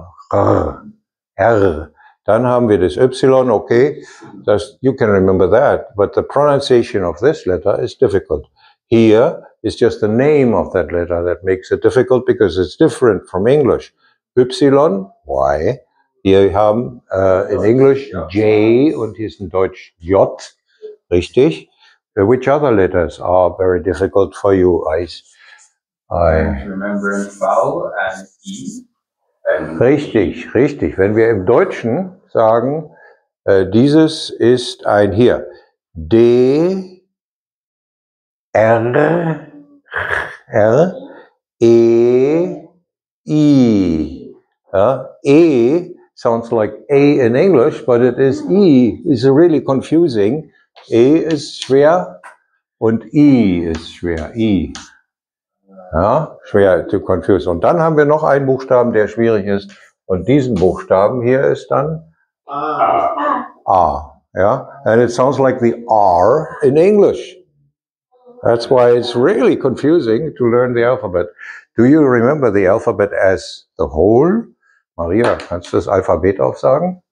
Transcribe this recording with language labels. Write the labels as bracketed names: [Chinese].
[German] R. Dann haben wir das Y, okay. [English] Das, you can remember that. But the pronunciation of this letter is difficult. Here is just the name of that letter that makes it difficult because it's different from English. Y, why? [German] Wir haben in English J und hier ist in Deutsch J, richtig? [English] Which other letters are very difficult for you? I remember V and E. [German] Richtig. Wenn wir im Deutschen sagen, dieses ist ein hier. D, R, E, I. [English] Ja, E sounds like A in English, but it is E. It's really confusing. E is [German] schwer und [English] I is schwer. I. Ja, schwer to confuse. [German] Und dann haben wir noch einen Buchstaben, der schwierig ist. Und diesen Buchstaben hier ist dann A. A. [English] Ja, and it sounds like the R in English. That's why it's really confusing to learn the alphabet. Do you remember the alphabet as the whole? [German] Maria, kannst du das Alphabet aufsagen?